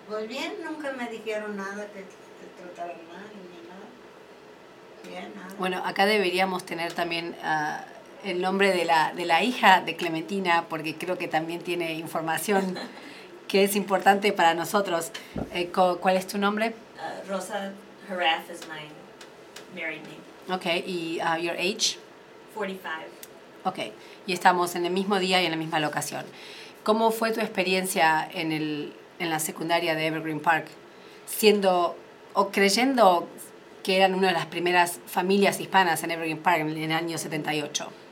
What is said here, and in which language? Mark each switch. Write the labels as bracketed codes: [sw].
[es] Pues bien, nunca me dijeron nada, que te trataron mal ni nada. Bien, nada. Bueno, acá deberíamos tener también el nombre de la hija de Clementina, porque creo que también tiene información que es importante para nosotros. ¿Cuál es tu nombre? [en] Rosa Harath is my married name. Okay, ¿y your age? 45. [es] Okay, y estamos en el mismo día y en la misma locación. ¿Cómo fue tu experiencia en la secundaria de Evergreen Park, siendo o creyendo que eran una de las primeras familias hispanas en Evergreen Park en el año 78?